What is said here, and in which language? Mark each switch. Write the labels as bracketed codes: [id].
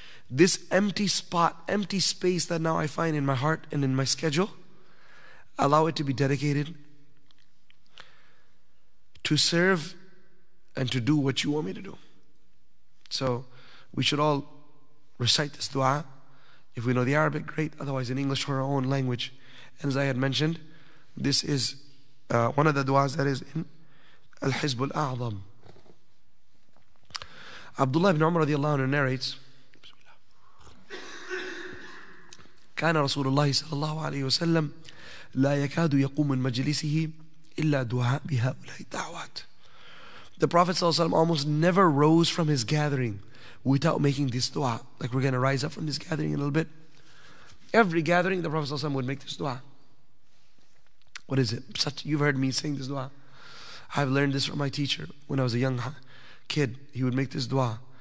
[en] This empty spot, empty space that now I find in my heart and in my schedule, allow it to be dedicated to serve and to do what you want me to do. So we should all recite this dua. If we know the Arabic, great. Otherwise, in English or our own language. And as I had mentioned, this is one of the du'as that is in Al-Hizb al-A'zam. Abdullah ibn Umar radiallahu anhu narrates, [ar] كان رسول الله صلى الله عليه وسلم لا يكاد يقوم من مجلسه إلا دعاء بهؤلاء الدعوات. [en] The Prophet [ar] صلى الله عليه وسلم [en] almost never rose from his gathering without making this dua. Like, we're going to rise up from this gathering in a little bit. Every gathering, the Prophet ﷺ would make this dua. What is it? Such, you've heard me saying this dua. I've learned this from my teacher when I was a young kid. He would make this dua.